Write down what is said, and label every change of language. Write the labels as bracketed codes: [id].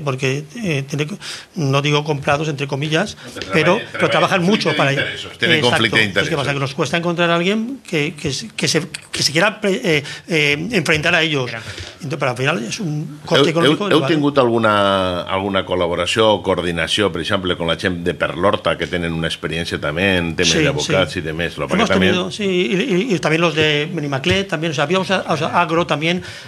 [es] Porque tiene, no digo comprados, entre comillas, pero trabajan mucho para ellos. Tienen conflicto de intereses. ¿Qué pasa? Que nos cuesta encontrar a alguien que se quiera enfrentar a ellos. Entonces, pero al final es un coste económico. [ca] ¿Heu tingut alguna col·laboració o coordinació, per exemple, con la gent de Perlorta, que tenen una experiència també en temes d'avocats i demés? [es] Hemos tenido, sí, y también los de Benimaclet, también, o sea, habíamos a Agro también.